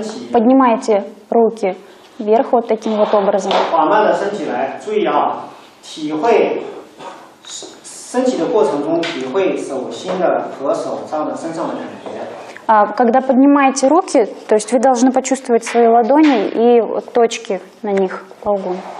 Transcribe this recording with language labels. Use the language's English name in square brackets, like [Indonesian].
[Russian] Поднимайте руки вверх вот таким вот образом. [Chinese] 缓慢的伸起来，注意啊，体会伸起的过程中体会手心的和手上的身上的感觉。 [Russian] Когда поднимаете руки, то есть вы должны почувствовать свои ладони и точки на них по углу.